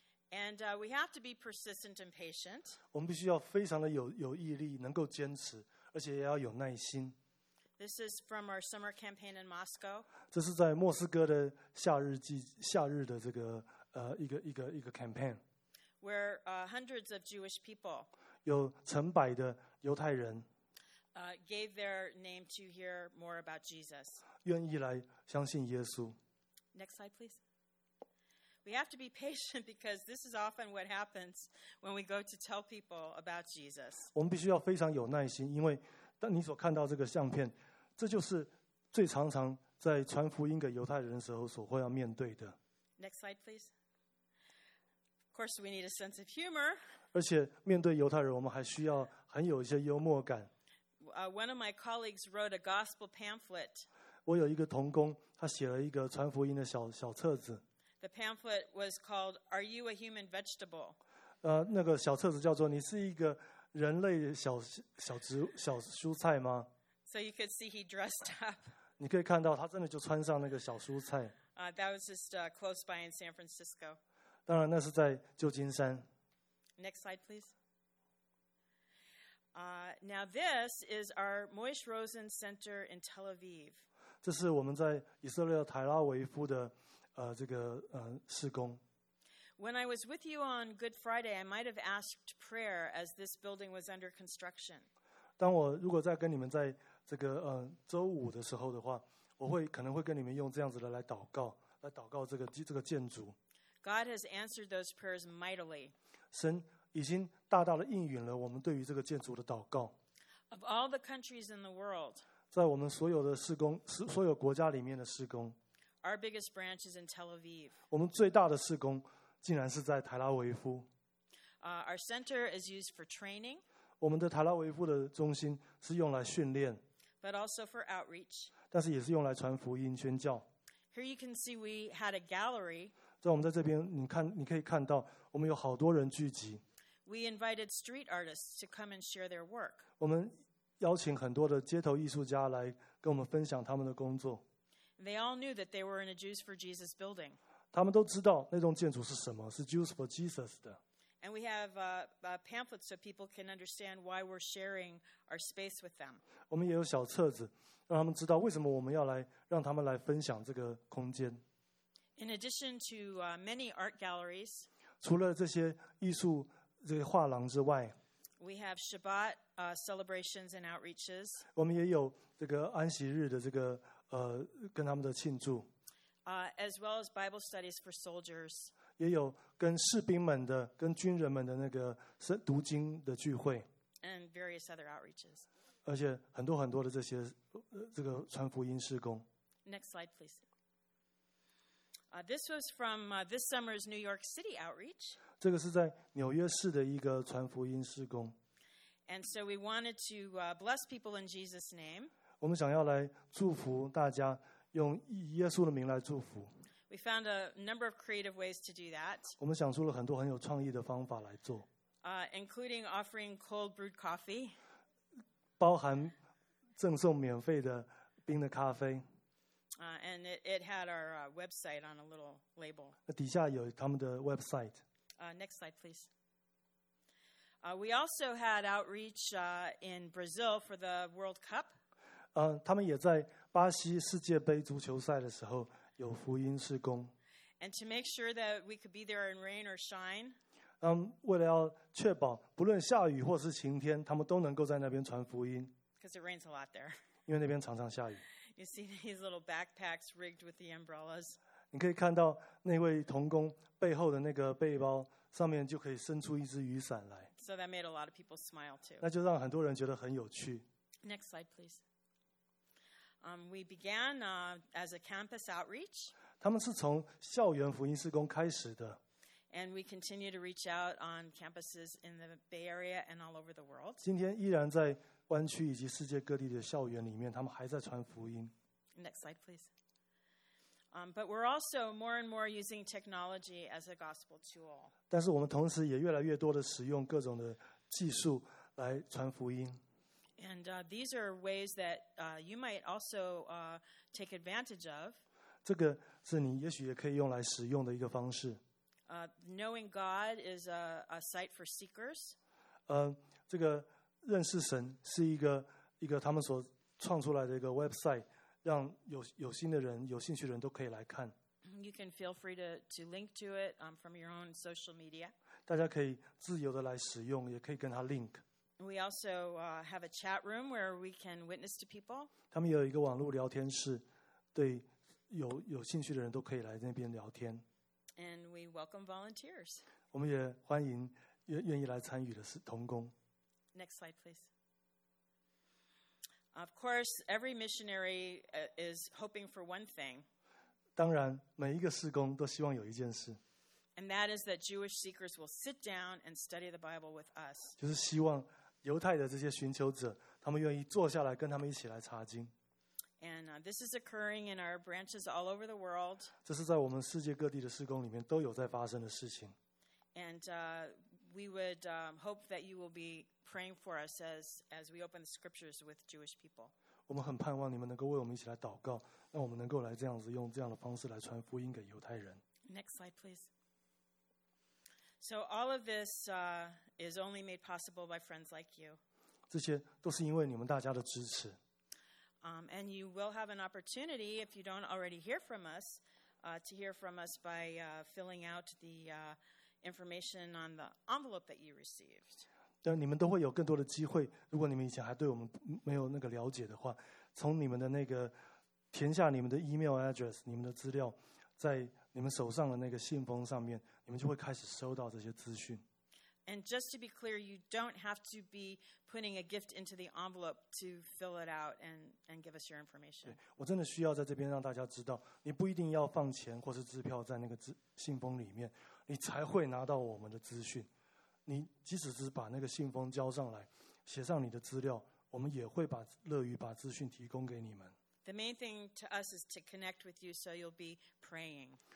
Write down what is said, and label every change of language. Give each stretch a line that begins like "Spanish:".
English: And we have to be persistent and patient.
Chinese: 我们必须要非常的有毅力，能够坚持，而且也要有耐心。
English: This is from our summer campaign in Moscow.
Chinese: 这是在莫斯科的夏日的这个一个 campaign.
English: Where hundreds of Jewish people
Chinese: 有成百的犹太人
English: gave their name to hear more about Jesus.
Chinese: 愿意来相信耶稣。
English: Next slide, please. We have to be patient because this is often what happens when we go to tell people about Jesus.
Chinese: 我们必须要非常有耐心，因为当你所看到这个相片，这就是最常常在传福音给犹太人的时候所会要面对的。
English: Next slide, please. Of course, we need a sense of humor.
Chinese: 而且面对犹太人，我们还需要很有一些幽默感。
English: One of my colleagues wrote a gospel pamphlet.
Chinese: 我有一个同工，他写了一个传福音的小册子。
English: The pamphlet was called "Are You a Human Vegetable?"
Chinese: 那个小册子叫做“你是一个人类小蔬菜吗
English: ？”So you could see he dressed up.
Chinese: 你可以看到他真的就穿上那个小蔬菜。
English: That was just close by in San Francisco.
Chinese: 当然，那是在旧金山。
English: Next slide, please. Now this is our Moshe Rosen Center in Tel Aviv.
Chinese: 这是我们在以色列台拉维夫的。这个事工。
English: When I was with you on Good Friday, I might have asked prayer as this building was under construction.
Chinese: 当我如果在跟你们在这个周五的时候的话，我会可能会跟你们用这样子的来祷告这个建筑。
English: God has answered those prayers mightily.
Chinese: 神已经大大的应允了我们对于这个建筑的祷告。
English: Of all the countries in the world,
Chinese: 在我们所有的事工，所有国家里面的事工。
English: Our biggest branch is in Tel Aviv.
Chinese: 我们最大的事工竟然是在台拉维夫。
English: Our center is used for training.
Chinese: 我们的台拉维夫的中心是用来训练。
English: But also for outreach.
Chinese: 但是也是用来传福音宣教。
English: Here you can see we had a gallery.
Chinese: 在我们在这边，你可以看到我们有好多人聚集。
English: We invited street artists to come and share their work.
Chinese: 我们邀请很多的街头艺术家来跟我们分享他们的工作。
English: They all knew that they were in a Jews for Jesus building.
Chinese: 他们都知道那栋建筑是什么，是 Jews for Jesus 的。
English: And we have pamphlets so people can understand why we're sharing our space with them.
Chinese: 我们也有小册子，让他们知道为什么我们要来让他们来分享这个空间。
English: In addition to many art galleries,
Chinese: 除了这些艺术这些画廊之外
English: ，we have Shabbat celebrations and outreaches.
Chinese: 我们也有这个安息日的这个。跟他们的庆祝。
English: As well as Bible studies for soldiers.
Chinese: 也有跟士兵们的、跟军人们的那个读经的聚会。
English: And various other outreaches.
Chinese: 而且很多很多的这些这个传福音事工。
English: Next slide, please. This was from this summer's New York City outreach.
Chinese: 这个是在纽约市的一个传福音事工。
English: And so we wanted to bless people in Jesus' name.
Chinese: 我们想要来祝福大家，用耶稣的名来祝福。
English: We found a number of creative ways to do that.
Chinese: 我们想出了很多很有创意的方法来做。
English: Including offering cold brewed coffee.
Chinese: 包含赠送免费的冰的咖啡。
English: And it had our website on a little label.
Chinese: 底下有他们的 website.
English: Next slide, please. We also had outreach in Brazil for the World Cup.
Chinese: 他们也在巴西世界杯足球赛的时候有福音事工。
English: And to make sure that we could be there in rain or shine.
Chinese: 为了要确保不论下雨或是晴天，他们都能够在那边传福音。
English: Because it rains a lot there.
Chinese: 因为那边常常下雨。
English: You see these little backpacks rigged with the umbrellas.
Chinese: 你可以看到那位同工背后的那个背包上面就可以伸出一只雨伞来。
English: So that made a lot of people smile too.
Chinese: 那就让很多人觉得很有趣。
English: Next slide, please. We began as a campus outreach.
Chinese: 他们是从校园福音事工开始的。
English: And we continue to reach out on campuses in the Bay Area and all over the world.
Chinese: 今天依然在湾区以及世界各地的校园里面，他们还在传福音。
English: Next slide, please. But we're also more and more using technology as a gospel tool.
Chinese: 但是我们同时也越来越多的使用各种的技术来传福音。
English: And these are ways that you might also take advantage of.
Chinese: 这个是你也许也可以用来使用的一个方式。
English: Knowing God is a site for seekers.
Chinese: 这个认识神是一个他们所创出来的一个 website， 让有心的人、有兴趣的人都可以来看。
English: You can feel free to link to it from your own social media.
Chinese: 大家可以自由的来使用，也可以跟他 link。
English: We also have a chat room where we can witness to people.
Chinese: 他们有一个网络聊天室，对有兴趣的人都可以来那边聊天。
English: And we welcome volunteers.
Chinese: 我们也欢迎愿意来参与的同工。
English: Next slide, please. Of course, every missionary is hoping for one thing.
Chinese: 当然，每一个事工都希望有一件事。
English: And that is that Jewish seekers will sit down and study the Bible with us.
Chinese: 就是希望犹太的这些寻求者，他们愿意坐下来跟他们一起来查经。
English: And this is occurring in our branches all over the world.
Chinese: 这是在我们世界各地的事工里面都有在发生的事情。
English: And we would hope that you will be praying for us as we open the scriptures with Jewish people.
Chinese: 我们很盼望你们能够为我们一起来祷告，让我们能够来这样子用这样的方式来传福音给犹太人。
English: Next slide, please. So all of this is only made possible by friends like you.
Chinese: 这些都是因为你们大家的支持。
English: And you will have an opportunity, if you don't already hear from us, to hear from us by filling out the information on the envelope that you received.
Chinese: 但你们都会有更多的机会，如果你们以前还对我们没有那个了解的话，从你们的那个填下你们的
English: email address，
Chinese: 你们的资料，在你们手上的那个信封上面，你们就会开始收到这些资讯。
English: And just to be clear, you don't have to be putting a gift into the envelope to fill it out and give us your information.
Chinese: 对，我真的需要在这边让大家知道，你不一定要放钱或是支票在那个信封里面，你才会拿到我们的资讯。你即使是把那个信封交上来，写上你的资料，我们也会乐于把资讯提供给你们。
English: The main thing to us is to connect with you, so you'll be praying.